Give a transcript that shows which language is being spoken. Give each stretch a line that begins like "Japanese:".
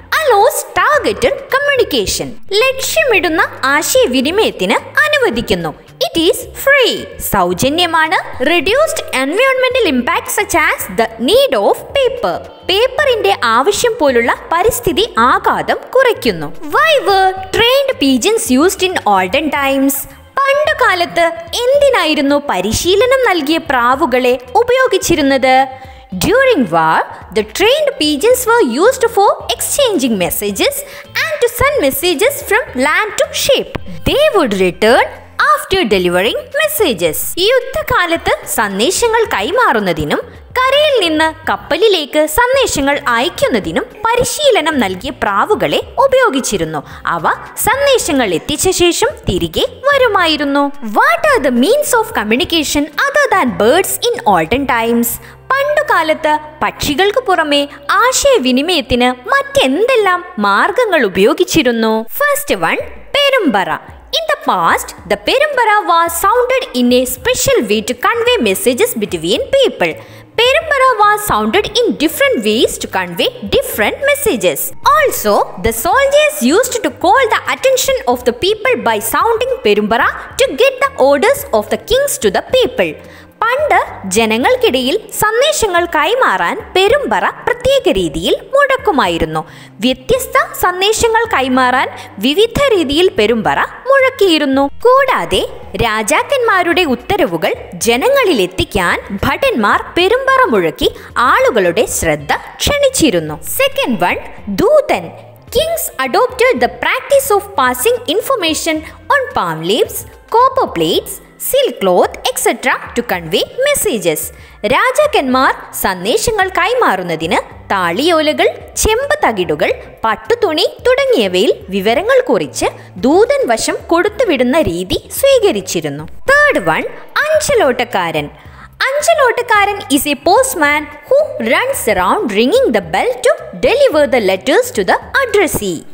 English: Allows targeted communication.
Malayalam: ലക്ഷ്യമിടുന്ന ആശയവിനിമയത്തിന് അനുവദിക്കുന്നു.
English: It is free.
Malayalam: സൗജന്യമാണ്.
English: Reduced environmental impact such as the need of paper.
Malayalam: പേപ്പറിന്റെ ആവശ്യം പോലുള്ള പരിസ്ഥിതി ആഘാതം കുറയ്ക്കുന്നു.
English: Why were trained pigeons used in olden times?
Malayalam: പണ്ടുകാലത്ത് എന്തിനായിരുന്നു പരിശീലനം നൽകിയ പ്രാവുകളെ ഉപയോഗിച്ചിരുന്നത്?
English: During war the trained pigeons were used for exchanging messages and to send messages from land to ship. They would return after delivering messages.
Malayalam: യുദ്ധകാലത്ത് സന്ദേശങ്ങൾ കൈമാറുന്നതിനും കരയിൽ നിന്ന് കപ്പലിലേക്ക് സന്ദേശങ്ങൾ അയക്കുന്നതിനും പരിശീലനം നൽകിയ പ്രാവുകളെ ഉപയോഗിച്ചിരുന്നു. അവ സന്ദേശങ്ങൾ എത്തിച്ച ശേഷം തിരികെ വരുമായിരുന്നു.
English: What are the means of communication other than birds in olden times?
Malayalam: പണ്ടുകാലത്ത് പക്ഷികൾക്ക് പുറമെ ആശയവിനിമയത്തിന് മറ്റെന്തെല്ലാം മാർഗങ്ങൾ ഉപയോഗിച്ചിരുന്നു?
English: First one, പെരുമ്പറ. In the past, the perumbara was sounded in a special way to convey messages between people. Perumbara was sounded in different ways to convey different messages. Also, the soldiers used to call the attention of the people by sounding perumbara to get the orders of the kings to the people.
Malayalam: പണ്ട് ജനങ്ങൾക്കിടയിൽ സന്ദേശങ്ങൾ കൈമാറാൻ പെരുമ്പറ പ്രത്യേക രീതിയിൽ മുഴക്കുമായിരുന്നു. വ്യത്യസ്ത സന്ദേശങ്ങൾ കൈമാറാൻ വിവിധ രീതിയിൽ പെരുമ്പറ മുഴക്കിയിരുന്നു. കൂടാതെ രാജാക്കന്മാരുടെ ഉത്തരവുകൾ ജനങ്ങളിൽ എത്തിക്കാൻ ഭടന്മാർ പെരുമ്പറ മുഴക്കി ആളുകളുടെ ശ്രദ്ധ ക്ഷണിച്ചിരുന്നു.
English: Second one, ദൂതൻ. Kings adopted the practice of passing information on palm leaves, copper plates, silk cloth, etc. to convey messages.
Malayalam: രാജാക്കന്മാർ സന്ദേശങ്ങൾ കൈമാറുന്നതിന് താളിയോലകൾ, ചെമ്പ് തകിടുകൾ, പട്ടുതുണി തുടങ്ങിയവയിൽ വിവരങ്ങൾ കുറിച്ച് ദൂതൻ വശം കൊടുത്തുവിടുന്ന രീതി സ്വീകരിച്ചിരുന്നു.
English: Third one, അഞ്ചലോട്ടക്കാരൻ. അഞ്ചലോട്ടക്കാരൻ is a postman who runs around ringing the bell to deliver the letters to the addressee.